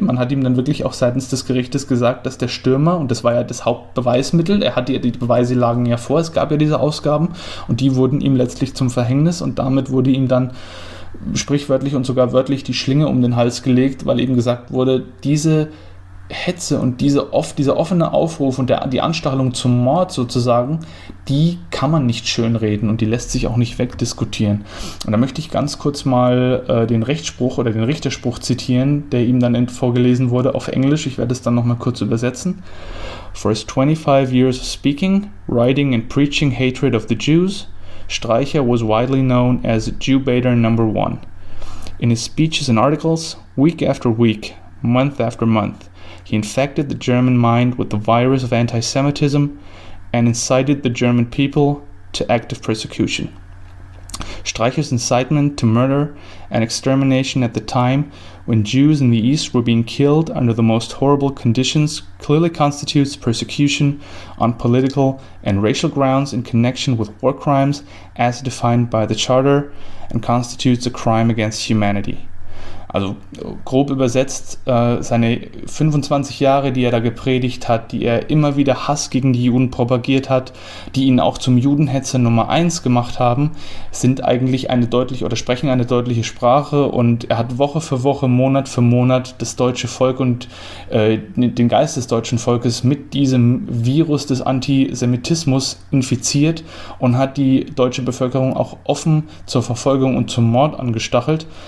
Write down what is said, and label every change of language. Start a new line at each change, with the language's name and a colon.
German: Man hat ihm dann wirklich auch seitens des Gerichtes gesagt, dass der Stürmer, und das war ja das Hauptbeweismittel, die Beweise lagen ja vor, es gab ja diese Ausgaben, und die wurden ihm letztlich zum Verhängnis, und damit wurde ihm dann sprichwörtlich und sogar wörtlich die Schlinge um den Hals gelegt, weil eben gesagt wurde, diese Hetze und dieser offene Aufruf und die Anstachelung zum Mord sozusagen, die kann man nicht schönreden und die lässt sich auch nicht wegdiskutieren. Und da möchte ich ganz kurz mal den Rechtsspruch oder den Richterspruch zitieren, der ihm dann vorgelesen wurde auf Englisch. Ich werde es dann nochmal kurz übersetzen.
English: For his 25 years of speaking, writing and preaching hatred of the Jews, Streicher was widely known as Jew-baiter number one. In his speeches and articles, week after week, month after month, he infected the German mind with the virus of anti-Semitism and incited the German people to active persecution. Streicher's incitement to murder and extermination at the time when Jews in the East were being killed under the most horrible conditions clearly constitutes persecution on political and racial grounds in connection with war crimes as defined by the Charter and constitutes a crime against humanity.
German: Also grob übersetzt, seine 25 Jahre, die er da gepredigt hat, die er immer wieder Hass gegen die Juden propagiert hat, die ihn auch zum Judenhetzer Nummer 1 gemacht haben, sind eigentlich eine deutliche oder sprechen eine deutliche Sprache, und er hat Woche für Woche, Monat für Monat das deutsche Volk und den Geist des deutschen Volkes mit diesem Virus des Antisemitismus infiziert und hat die deutsche Bevölkerung auch offen zur Verfolgung und zum Mord angestachelt.